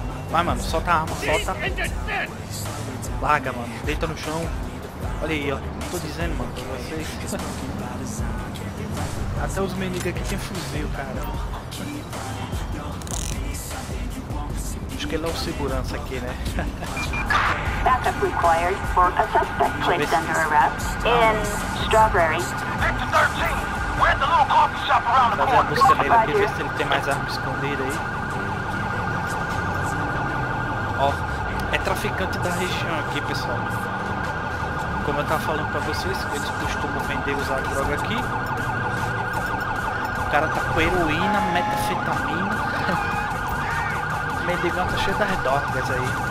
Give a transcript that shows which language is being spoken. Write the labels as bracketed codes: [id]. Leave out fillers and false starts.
[pt] Vai, mano, solta a arma, solta. Larga, mano, deita no chão. Olha aí, ó, não tô dizendo, mano, pra vocês. Até os mendigos aqui tem fuzil, cara. Acho que ele é o segurança aqui, né? [en] Backup required for a suspect placed under arrest in Strawberry. Victor 13, we're at the little coffee shop around the corner. [pt] Vamos buscar ele aqui, ver se ele tem mais arma escondida aí. Ó, é traficante da região aqui, pessoal. Como eu tava falando pra vocês, eles costumam vender e usar droga aqui. O cara tá com heroína, metanfetamina. Meio de gata cheio das drogas aí.